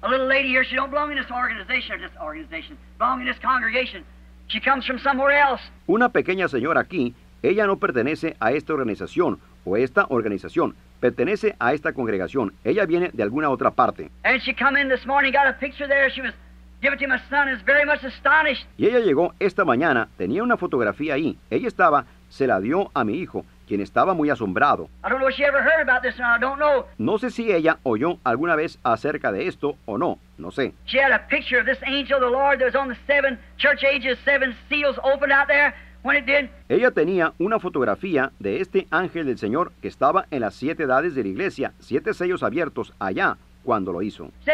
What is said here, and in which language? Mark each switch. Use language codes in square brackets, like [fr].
[en] A little lady here, she don't belong in this organization, belong in this congregation. She comes from somewhere else. [es] Una pequeña señora aquí, ella no pertenece a esta organización o esta organización, pertenece a esta congregación. Ella viene de alguna otra parte. [en] And she come in this morning, got a picture there, she was... Give it to my son, is very much astonished. [es] Y ella llegó esta mañana, tenía una fotografía ahí. Ella estaba, se la dio a mi hijo, quien estaba muy asombrado. [en] I don't know if she ever heard about this or not, I don't know. [es] No sé si ella oyó alguna vez acerca de esto o no, no sé. [en] She had a picture of this angel of the Lord that was on the seven church ages, seven seals opened out there. [es] Ella tenía una fotografía de este ángel del Señor que estaba en las siete edades de la iglesia, siete sellos abiertos allá cuando lo hizo.